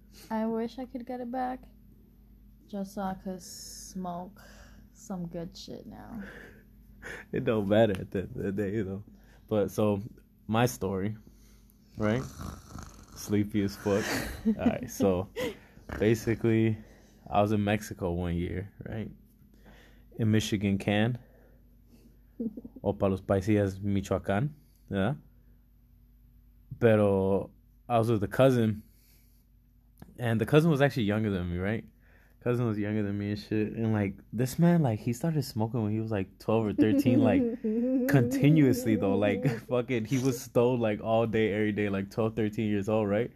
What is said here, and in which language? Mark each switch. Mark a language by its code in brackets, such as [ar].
[en] I wish I could get it back just so I could smoke some good shit now. It don't matter at the end of the day, though. But so, my story, right? Sleepy as fuck. All right, so basically, I was in Mexico 1 year, right? In Michigan, can. [es] O para los paisillas, Michoacán. [en] Yeah. Pero I was with a cousin, and the cousin was actually younger than me, right? Cousin was younger than me and shit. And like, this man, like, he started smoking when he was like 12 or 13, like, continuously, though. Like, fuck it. He was stoned, like, all day, every day, like, 12, 13 years old, right?